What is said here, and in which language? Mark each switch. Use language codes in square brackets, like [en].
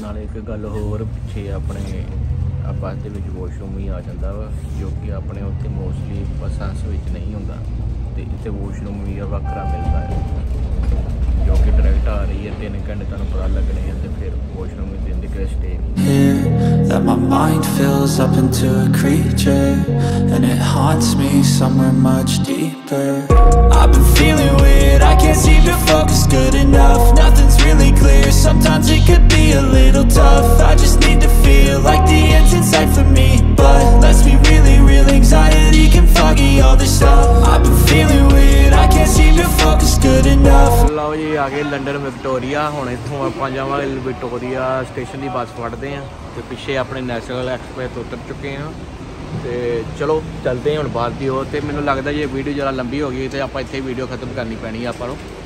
[pa] ਨਾਲੇ ਇੱਕ ਗੱਲ ਹੋਰ, ਪਿੱਛੇ ਆਪਣੇ ਬੱਸ ਦੇ ਵਿੱਚ ਵਾਸ਼ਰੂਮ ਵੀ ਆ ਜਾਂਦਾ ਵਾ, ਜੋ ਕਿ ਆਪਣੇ ਉੱਥੇ ਮੋਸਟਲੀ ਬੱਸਾਂ ਵਿੱਚ ਨਹੀਂ ਹੁੰਦਾ, ਅਤੇ ਇੱਥੇ ਵਾਸ਼ਰੂਮ ਵੀ ਆ ਵੱਖਰਾ ਮਿਲਦਾ, ਜੋ ਕਿ ਡਾਇਰੈਕਟ ਆ ਰਹੀ ਹੈ, 3 ਘੰਟੇ ਤੁਹਾਨੂੰ ਪਤਾ ਲੱਗਣੇ ਆ, ਅਤੇ ਫਿਰ ਵਾਸ਼ਰੂਮ ਵੀ ਦਿਨ ਦੇ stay. [en] That my mind fills up into a creature, and it haunts me somewhere much deeper. I've been feeling weird, I can't seem to focus good enough. Nothing's really clear, sometimes it could be a little tough. I just need to feel like the end's in sight for me. But let's be really real, anxiety can foggy all this stuff. I've been feeling weird, I can't seem to focus good enough. [pa] ਲਓ ਜੀ, ਆ ਗਏ London Victoria, ਹੁਣ ਇੱਥੋਂ ਆਪਾਂ ਜਾਵਾਂਗੇ Victoria station ਦੀ ਬੱਸ ਫੜਦੇ ਹਾਂ, ਅਤੇ ਪਿੱਛੇ ਆਪਣੇ ਨੈਸ਼ਨਲ ਐਕਸਪ੍ਰੈਸ ਤੋਂ ਉਤਰ ਚੁੱਕੇ ਹਾਂ, ਅਤੇ ਚਲੋ ਚੱਲਦੇ ਹਾਂ ਹੁਣ ਬਾਅਦ ਦੀ ਉਹ। ਅਤੇ ਮੈਨੂੰ ਲੱਗਦਾ ਜੇ ਵੀਡੀਓ ਜ਼ਰਾ ਲੰਬੀ ਹੋ ਗਈ ਤਾਂ ਆਪਾਂ ਇੱਥੇ ਵੀਡੀਓ ਖਤਮ ਕਰਨੀ ਪੈਣੀ ਆਪਾਂ ਨੂੰ।